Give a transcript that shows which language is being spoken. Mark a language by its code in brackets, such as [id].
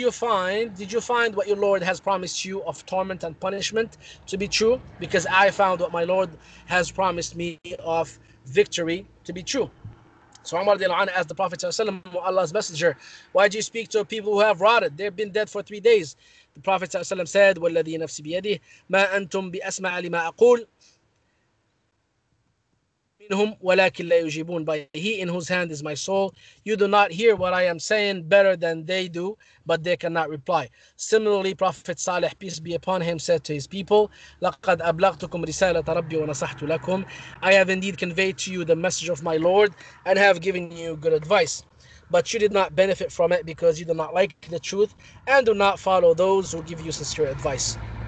[en] Did you find what your Lord has promised you of torment and punishment to be true? Because I found what my Lord has promised me of victory to be true. So Umar رضي الله عنه asked the Prophet ﷺ, Allah's messenger, why do you speak to people who have rotted? They've been dead for 3 days. The Prophet ﷺ said, [ar] وَالَّذِي نَفْسِ بِيَدِهِ مَا أَنْتُمْ بِأَسْمَعَ لِمَا أَقُولُ مِنْهُمْ وَلَكِنْ لَا يُجِيبُونَ. [en] By he in whose hand is my soul, you do not hear what I am saying better than they do, but they cannot reply. Similarly, Prophet Saleh, peace be upon him, said to his people, [ar] لَقَدْ أَبْلَغْتُكُمْ رِسَالَةَ رَبِّي وَنَصَحْتُ لَكُمْ. [en] I have indeed conveyed to you the message of my Lord and have given you good advice, but you did not benefit from it because you do not like the truth and do not follow those who give you sincere advice.